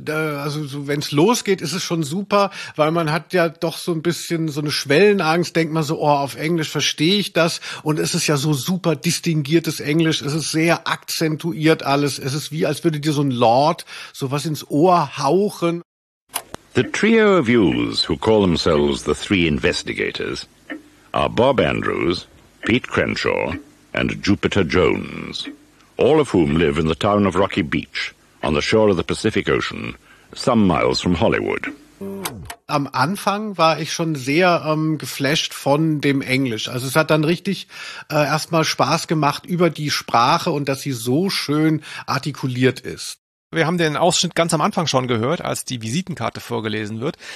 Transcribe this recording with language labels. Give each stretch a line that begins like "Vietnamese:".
German: Also so, wenn es losgeht, ist es schon super, weil man hat ja doch so ein bisschen so eine Schwellenangst, denkt man so, oh, auf Englisch verstehe ich das. Und es ist ja so super distinguiertes Englisch. Es ist sehr akzentuiert alles. Es ist wie, als würde dir so ein Lord sowas ins Ohr hauchen.
English: The trio of youths, who call themselves the three investigators, are Bob Andrews, Pete Crenshaw and Jupiter Jones. All of whom live in the town of Rocky Beach, on the shore of the Pacific Ocean, some miles from Hollywood.
German: Am Anfang war ich schon sehr geflasht von dem Englisch. Also es hat dann richtig erstmal Spaß gemacht über die Sprache und dass sie so schön artikuliert ist. Wir haben den Ausschnitt ganz am Anfang schon gehört, als die Visitenkarte vorgelesen wird.